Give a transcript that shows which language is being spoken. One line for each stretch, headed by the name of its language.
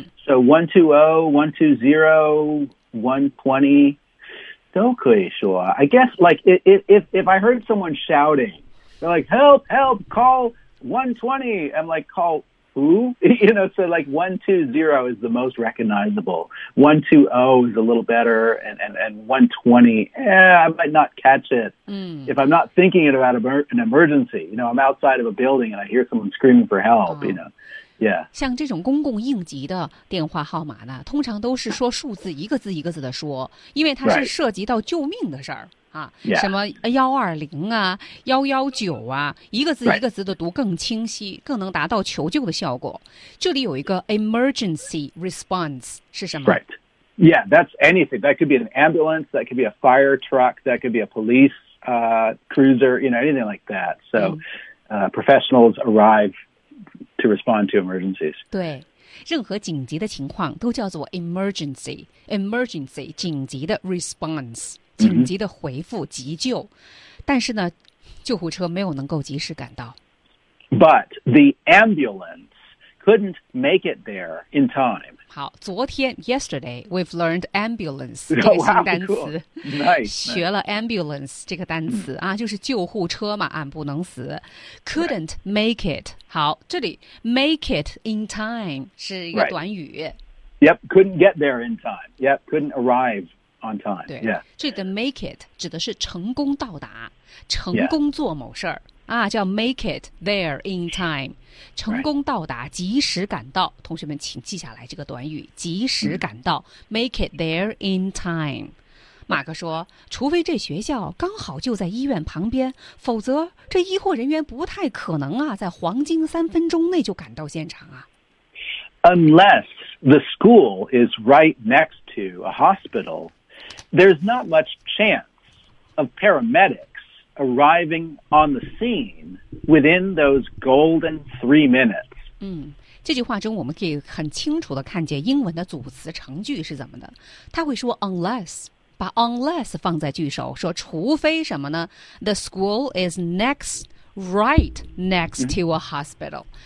English: So 120, 120, 120,
Chinese: 都可以说
English: I guess like if I heard someone shouting, they're like, help, help, call 120, I'm like, call who? You know, so like 120 is the most recognizable. 120 is a little better, and 120, I might not catch it. If I'm not thinking about an emergency, you know, I'm outside of a building and I hear someone screaming for help, you know. Yeah.
Chinese: 像这种公共应急的电话号码呢，通常都是说数字，一个字一个字的说，因为它是涉及到救命的事儿。什么120啊，119啊，一个字一个字的读更清晰，更能达到求救的效果。这里有一个 emergency response 是什么？
English: Right. Yeah, that's anything. That could be an ambulance, that could be a fire truck, that could be a police cruiser, you know, anything like that. So, professionals arrive to respond to emergencies.
Chinese: 对。任何紧急的情况都叫做 emergency, emergency, 紧急的 response, 紧急的回复、急救。但是呢，救护车没有能够及时赶到。
English: But the ambulance couldn't make it there in time.
Chinese: 好，昨天
English: yesterday we've learned ambulance
Chinese: 这个新单词。学了 ambulance 这个单词啊，就是救护车嘛，俺不能死。
English: Couldn't make it.
Chinese: 好，这里 make it in time 是一个短语。
English: Yep, couldn't get there in time. Yep, couldn't arrive on time.
Chinese: 对，
English: yeah.
Chinese: 这里的 make it 指的是成功到达，成功做某事儿。啊，叫
English: make it there in time，
Chinese: 成功到达，及时赶到。同学们，请记下来这个短语，及时赶到 ，
English: make it there in time。
Chinese: 马克说，除非这学校刚好就在医院旁边，否则这医护人员不太可能啊，在黄金三分钟内就赶到现场啊。
English: Unless the school is right next to a hospital, there's not much chance of paramedics arriving on the scene within those golden 3 minutes.
Chinese: 这句话中我们可以很清楚地看见英文的组词成句是怎么的。他会说 unless, 把 unless 放在句首，说除非什么呢？
English: The school is next, right next to a hospital.